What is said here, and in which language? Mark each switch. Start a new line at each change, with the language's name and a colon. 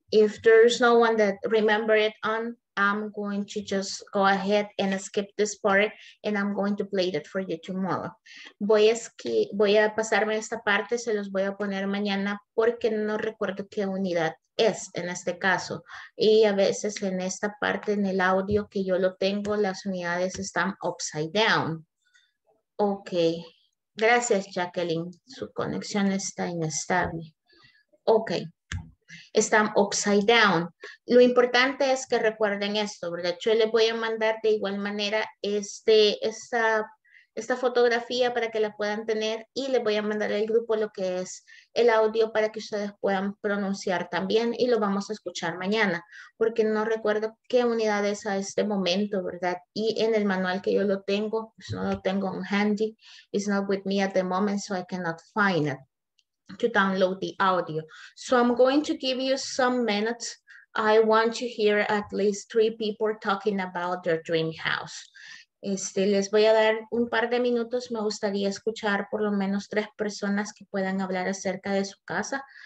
English: If there's no one that remember it on, I'm going to just go ahead and skip this part and I'm going to play it for you tomorrow.
Spanish: Voy a pasarme esta parte, se los voy a poner mañana porque no recuerdo qué unidad es en este caso. Y a veces en esta parte, en el audio que yo lo tengo, las unidades están
English: upside down.
Spanish: Okay. Gracias, Jacqueline. Su conexión está inestable. Ok. Están
English: upside down.
Spanish: Lo importante es que recuerden esto, ¿verdad? Yo les voy a mandar de igual manera esta fotografía para que la puedan tener y les voy a mandar al grupo lo que es el audio para que ustedes puedan pronunciar también y lo vamos a escuchar mañana porque no recuerdo qué unidad es a este momento, ¿verdad? Y en el manual que yo lo tengo, pues no lo tengo en
English: handy, it's not with me at the moment, so I cannot find it to download the audio. So I'm going to give you some minutes. I want to hear at least 3 people talking about their dream house.
Spanish: Les voy a dar un par de minutos. Me gustaría escuchar por lo menos 3 personas que puedan hablar acerca de su casa.